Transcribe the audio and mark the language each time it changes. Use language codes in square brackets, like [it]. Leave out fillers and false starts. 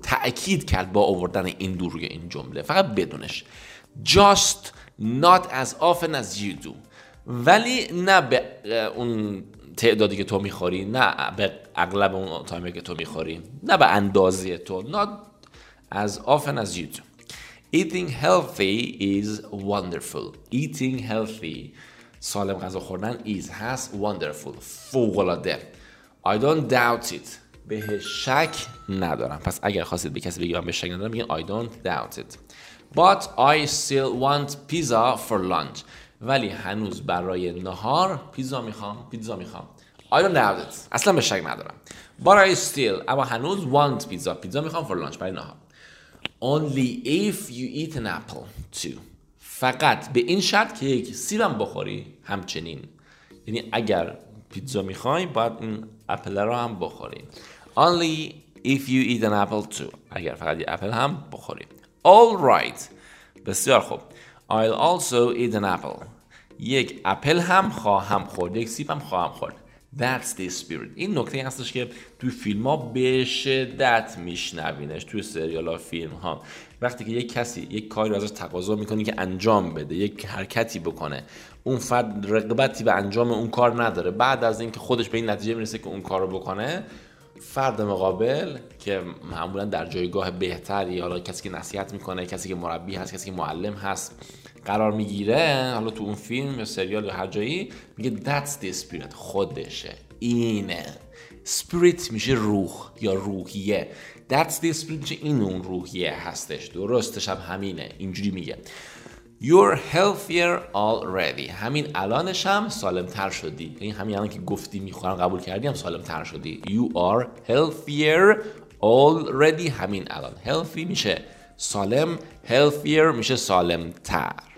[fa] تأکید کرد با آوردن این دو روی این جمله. فقط بدونش. [en] Just not as often as you do. [fa] ولی نه به اون تعدادی که تو میخوری، نه به اغلب اون تایمی که تو میخوری، نه به اندازه تو. [en] Not as often as you do. Eating healthy is wonderful. Eating healthy، [fa] سالم غذا خوردن، [en] is has wonderful، [fa] فوق‌العاده. [en] I don't doubt it، [fa] به شک ندارم. پس اگر خواستید به کسی بگیم به شک ندارم، بگید [en] I don't doubt it. But I still want pizza for lunch، [fa] ولی هنوز برای نهار پیزا میخوام، پیزا میخوام. [en] I don't doubt it، [fa] اصلا به شک ندارم. [en] But I still، [fa] اما هنوز [en] want pizza، [fa] پیزا میخوام [en] for lunch، [fa] برای نهار. [en] Only if you eat an apple too، [fa] فقط به این شرط که یک سیبم بخوری همچنین. یعنی اگر پیزا میخوای باید این اپل رو هم بخوری. [en] Only if you eat an apple too، [fa] اگر فقط یک اپل هم بخوری. [en] All right، [fa] بسیار خوب. [en] I'll also eat an apple، [fa] یک اپل هم خواهم خورد، یک سیب هم خواهم خورد. [en] That's the spirit. [fa] این نکته هستش که توی فیلم ها به شدت میشنوینش، توی سریال ها، فیلم ها، وقتی که یک کسی یک کاری رو ازش تقاضا میکنی که انجام بده، یک حرکتی بکنه، اون فرد رغبتی به انجام اون کار نداره، بعد از اینکه خودش به این نتیجه میرسه که اون کار رو بکنه، فرد مقابل که معمولا در جایگاه بهتری، حالا کسی که نصیحت میکنه، کسی که مربی هست، کسی که معلم هست، قرار میگیره، حالا تو اون فیلم یا سریال یا هر جایی، میگه [en] That's the spirit، [fa] خودشه، اینه. Spirit میشه روح یا روحیه. [en] That's the spirit [fa] میشه این اون روحیه هستش، درستش هم همینه، اینجوری میگه. [en] You're healthier already، [fa] همین الانش هم سالمتر شدی. این همین الان که گفتی میخورم قبول کردی هم سالمتر شدی. [en] You are healthier already، [fa] همین الان. healthy میشه سالم، healthier میشه سالمتر.